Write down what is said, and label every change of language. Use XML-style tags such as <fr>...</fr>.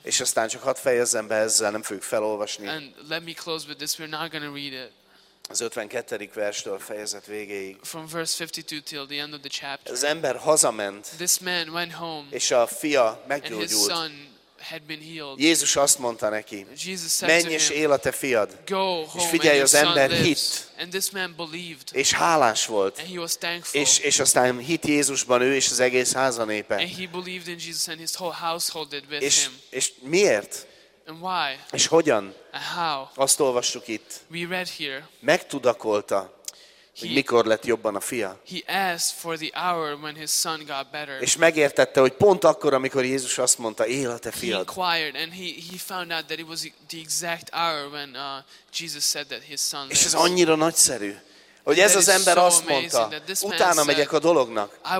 <hu>És aztán csak hadd fejezzem be ezzel, nem fogjuk felolvasni.</hu> <en>And let me close with this, we're not going to read it.</en> <hu>Az 52. verstől a fejezet végéig.</hu> <en>From verse 52 till the end of the chapter.</en> <hu>Az ember hazament.</hu> <en>This man went home.</en> <hu>És a fia meggyógyult.</hu> <en>And his son had been healed.</en> <hu>Jézus azt mondta neki.</hu> <en>Jesus said,</en> <hu>menj és él a te fiad.</hu> <en>Go home,</en> <hu>és figyelj, az ember hitt.</hu> <en>And this man believed.</en> <hu>És hálás volt.</hu> <en>And he was thankful.</en> <hu>És aztán hitt Jézusban ő és az egész háza népe.</hu> <en>And he believed in Jesus and his whole household did with him.</en> <hu>És miért?</hu> <en>And why?</en> <hu>És hogyan?</hu> <en>And how?</en> <hu>Azt olvassuk itt.</hu> <en>We read here.</en> <hu>Megtudakolta, hogy mikor lett jobban a fia.</hu> <en>He asked for the hour when his son got better.</en> <hu>És megértette, hogy pont akkor, amikor Jézus azt mondta, él a te fiad.</hu> <en>He inquired and he found out that it was the exact hour when Jesus said that his son lived.</en> <hu>És ez annyira nagyszerű. Hogy ez az ember azt mondta, utána megyek a dolognak.</hu>